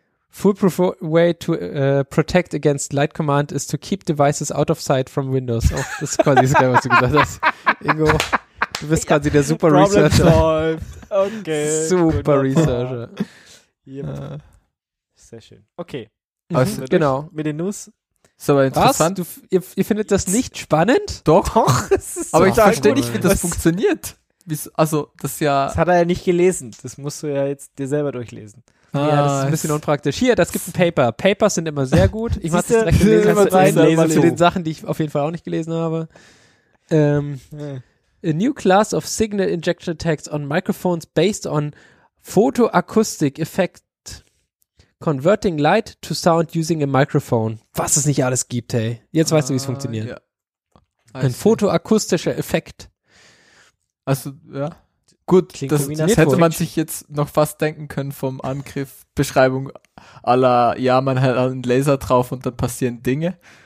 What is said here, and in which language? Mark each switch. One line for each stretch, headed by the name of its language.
English: Foolproof way to protect against light command is to keep devices out of sight from Windows.
German: Oh, das ist quasi geil, was du gesagt hast. Ingo. Du bist quasi der super Problem Researcher.
English: Solved. Okay.
German: Super Researcher. Yep. Sehr schön. Okay. Also, genau. Mit den News. So interessant. Was? Ihr findet das nicht spannend? Doch. Aber ich verstehe nicht, wie das funktioniert. Das hat er ja nicht gelesen. Das musst du ja jetzt dir selber durchlesen. Ah, ja, das ist ein bisschen unpraktisch. Hier, das gibt ein Paper. Papers sind immer sehr gut. Ich mach das direkt immer rein zu den Sachen, die ich auf jeden Fall auch nicht gelesen habe.
English: A new class of signal injection attacks on microphones based on photoacoustic effect converting light to sound using a microphone.
German: Was es nicht alles gibt, hey. Jetzt weißt du, wie es funktioniert. Yeah. Ein photoakustischer Effekt. Also, ja. Gut, das hätte man sich jetzt noch fast denken können vom Angriff, Beschreibung aller, ja, man hat einen Laser drauf und dann passieren Dinge.